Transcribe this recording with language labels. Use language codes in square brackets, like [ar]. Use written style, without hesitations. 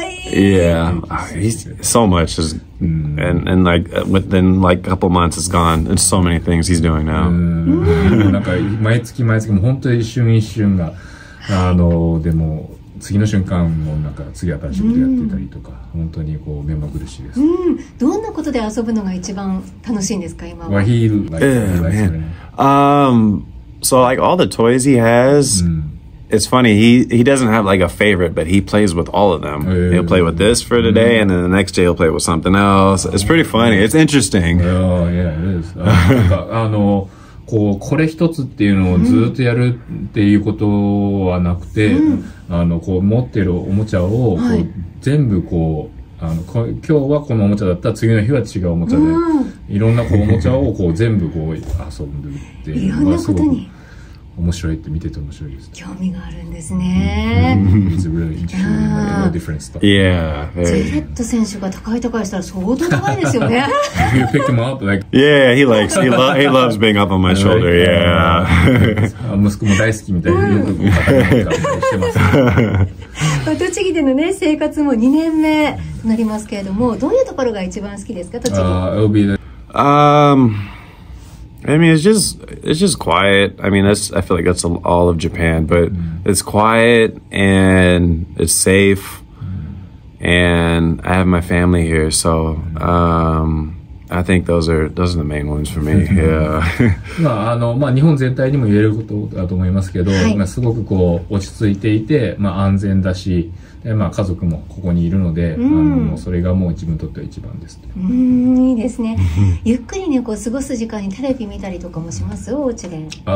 [en] Yeah, he's so much is, and like within like a couple months it's gone. There's so many things he's doing now. [ja] Like 毎月毎月も本当に一瞬一瞬が、でも次の瞬間もなんか次新しいことやってたりとか、本当にこう目まぐるしいです。どんなことで遊ぶのが一番楽しいんですか今は？ [en] Well, he likes So like all the toys he has. It's funny, he doesn't have like a favorite, but he plays with all of them. Yeah, he'll play with this for today, and then the next day he'll play with something else. It's pretty funny. It's interesting. Yeah, yeah, it is. [ja] これ一つっていうのをずっとやるっていうことはなくて、こう持ってるおもちゃをこう全部こう、今日はこのおもちゃだったら次の日は違うおもちゃで、いろんなこうおもちゃをこう全部こう遊んでるっていうのがすごく。面白いって見てて面白いです。興味があるんですね。 [en] It's really interesting. No different stuff. Yeah. [ja] ジェレット選手が高い高いしたら相当高いですよね。 [en] You pick him up like. Yeah, he likes. He loves being up on my shoulder. Yeah. [ja] 息子も大好きみたいな。栃木でのね生活も2年目となりますけれども、どういうところが一番好きですか栃木？ [en] It'll be the. I mean, it's just quiet. I mean, that's, I feel like that's all of Japan, but it's quiet and it's safe. And I have my family here. So, I think those are the main ones for me. Yeah. [ja] まあ、日本全体にも言えることだと思いますけど、はい、まあ、すごくこう、落ち着いていて、まあ、安全だし、でまあ、家族もここにいるので、それがもう自分にとっては一番です。いいですね。ゆっくりね、こう過ごす時間にテレビ見たりとかもしますお家で。